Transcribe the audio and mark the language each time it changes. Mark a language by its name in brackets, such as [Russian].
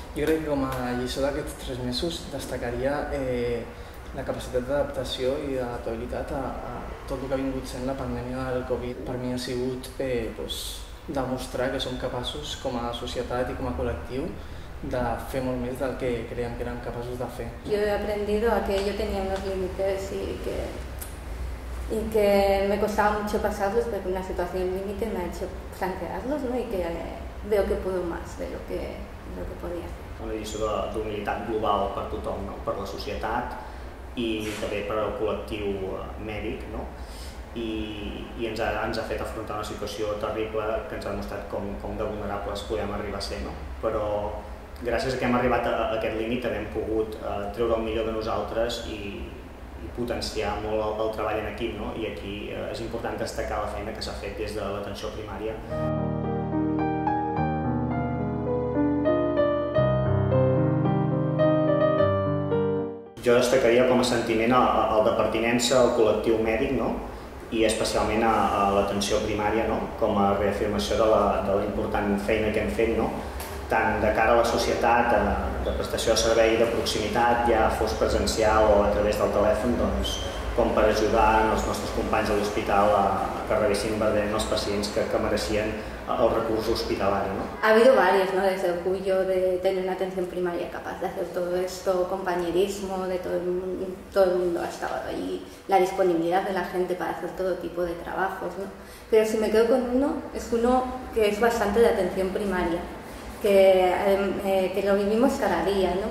[Spanish] Yo creo que como [Catalan] lliçó d'aquests tres mesos destacaría la capacitat d'adaptació i d'adaptabilitat a tot el que ha vingut sent la pandèmia del Covid. Per mi ha sigut demostrar que som capaços com a societat i com a col·lectiu de fer molt més del que creiem que érem capaços de fer. [Spanish] Yo he aprendido a que yo tenía unos límites y que me costaba mucho pasarlos, porque una situación límite me ha hecho plantearlos, ¿no?, y que veo que puedo más de lo que podía hacer. [Catalan] Una lliçó d'humilitat global per tothom, no?, per la societat i també per al col·lectiu mèdic, no? I ens ha fet afrontar una situació terrible que ens ha demostrat com de vulnerables podem arribar a ser, no? Però gràcies a que hem arribat a aquest límit també hem pogut treure el millor de nosaltres i potenciar molt el treball en equip, no? I aquí és important destacar la feina que s'ha fet des de l'atenció primària. jo destacaria com a sentiment el de pertinença al col·lectiu mèdic, no? I especialment a l'atenció primària, no? Com a reafirmació de la important feina que hem fet, no? Tant de cara a la societat, de prestació de servei de proximitat, ja fos presencial o a través del telèfon, doncs, com per ajudar els nostres companys a l'hospital a que rebessin verdent els pacients que mereixien el recurs hospitalari, no? [Spanish] Ha habido varios, ¿no? Desde el cuyo de tener una atención primaria capaz de hacer todo esto, compañerismo de todo el mundo ha estado allí, la disponibilidad de la gente para hacer todo tipo de trabajos, ¿no? Pero si me quedo con uno, es uno que es bastante de atención primaria, que lo vivimos cada día, ¿no?